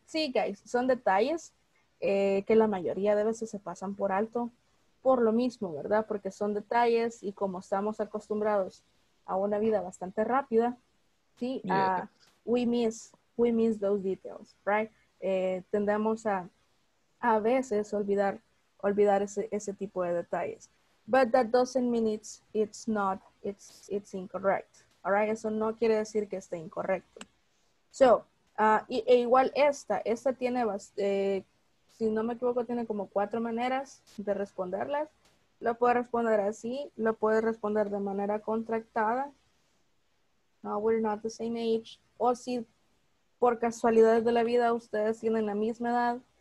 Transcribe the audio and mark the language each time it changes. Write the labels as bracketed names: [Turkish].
[Spanish] Sí, guys, son detalles que la mayoría de veces se pasan por alto por lo mismo, ¿verdad? Porque son detalles y como estamos acostumbrados a una vida bastante rápida, ¿sí? Yeah. [English] We miss those details, right? [Spanish] Tendemos a veces olvidar ese tipo de detalles. [English] But that doesn't mean it's incorrect, all right? [Spanish] Eso no quiere decir que esté incorrecto. So, e igual esta tiene, si no me equivoco, tiene como cuatro maneras de responderlas. Lo puede responder así, lo puede responder de manera contractada. [English] No, we're not the same age. [Spanish] O si por casualidades de la vida ustedes tienen la misma edad.